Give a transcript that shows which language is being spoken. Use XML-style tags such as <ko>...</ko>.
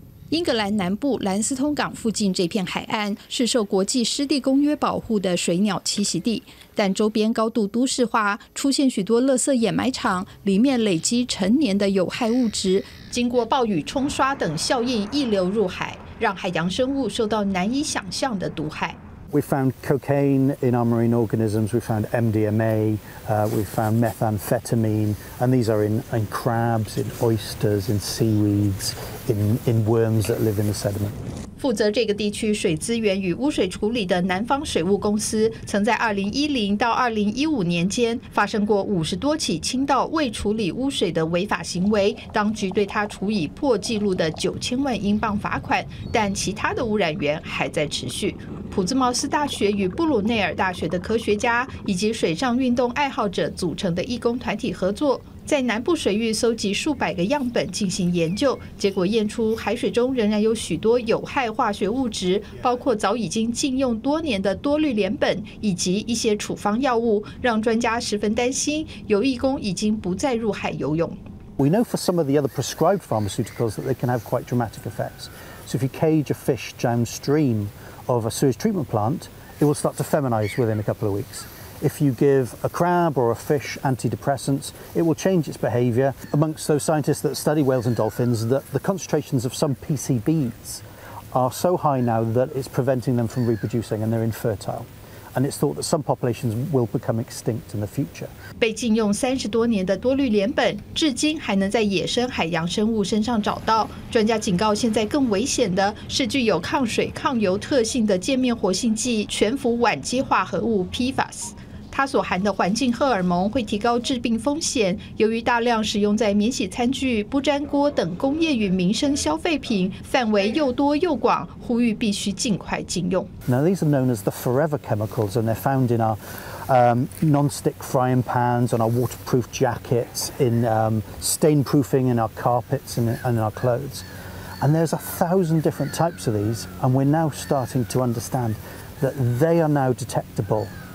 <zh>英格兰南部兰斯通港附近这片海岸是受国际湿地公约保护的水鸟栖息地，但周边高度都市化，出现许多垃圾掩埋场，里面累积成年的有害物质，经过暴雨冲刷等效应溢流入海，让海洋生物受到难以想象的毒害。</zh> <en>We found cocaine in our marine organisms. We found MDMA. We found methamphetamine, and these are in crabs, in oysters, in seaweeds, in worms that live in the sediment.</en> <zh>负责这个地区水资源与污水处理的南方水务公司，曾在2010到2015年间发生过50多起倾倒未处理污水的违法行为，当局对他处以破纪录的9000万英镑罚款，但其他的污染源还在持续。普兹茅斯大学与布鲁内尔大学的科学家以及水上运动爱好者组成的义工团体合作，在南部水域搜集数百个样本进行研究，结果验出海水中仍然有许多有害化学物质，包括早已经禁用多年的多氯联苯以及一些处方药物，让专家十分担心游义工已经不再入海游泳。</zh> <en>We know for some of the other prescribed pharmaceuticals that they can have quite dramatic effects. So if you cage a fish downstream. Of a sewage treatment plant, it will start to feminize within a couple of weeks. If you give a crab or a fish antidepressants, it will change its behavior. Amongst those scientists that study whales and dolphins, that the concentrations of some PCBs are so high now that it's preventing them from reproducing and they're infertile. And it's thought that some populations will become extinct in the future.</en> <zh>被禁用三十多年的多氯联苯，至今还能在野生海洋生物身上找到。专家警告，现在更危险的是具有抗水、抗油特性的界面活性剂全氟烷基化合物 PFAS。它所含的环境荷尔蒙会提高致病风险，由于大量使用在免洗餐具、不粘锅等工业与民生消费品，范围又多又广，呼吁必须尽快禁用。</zh> <en>Now these are known as the forever chemicals, and they're found in our non-stick frying pans, on our waterproof jackets, in stain proofing, in our carpets, and in our clothes. And there's 1,000 different types of these, and we're now starting to understand that they are now detectable.</en>